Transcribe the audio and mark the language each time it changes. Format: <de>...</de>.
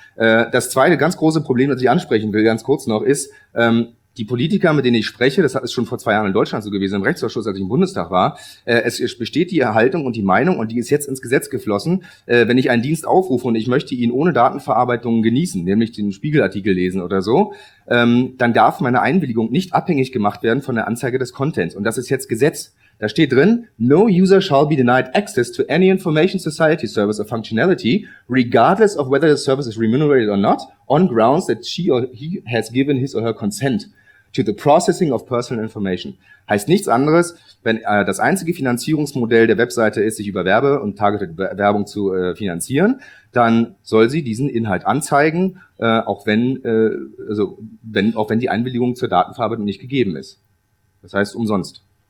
<de>Das zweite ganz große Problem, das ich ansprechen will, ganz kurz noch, ist, die Politiker, mit denen ich spreche, das ist schon vor 2 Jahren in Deutschland so gewesen, im Rechtsausschuss, als ich im Bundestag war, es besteht die Haltung und die Meinung, und die ist jetzt ins Gesetz geflossen, wenn ich einen Dienst aufrufe und ich möchte ihn ohne Datenverarbeitung genießen, nämlich den Spiegelartikel lesen oder so, dann darf meine Einwilligung nicht abhängig gemacht werden von der Anzeige des Contents. Und das ist jetzt Gesetz.</de> <en>Da steht drin, no user shall be denied access to any information society service or functionality, regardless of whether the service is remunerated or not, on grounds that she or he has given his or her consent to the processing of personal information.</en> <de>Heißt nichts anderes, wenn das einzige Finanzierungsmodell der Webseite ist, sich über Werbe und targeted Werbung zu finanzieren, dann soll sie diesen Inhalt anzeigen, auch wenn die Einwilligung zur Datenverarbeitung nicht gegeben ist. Das heißt umsonst.</de>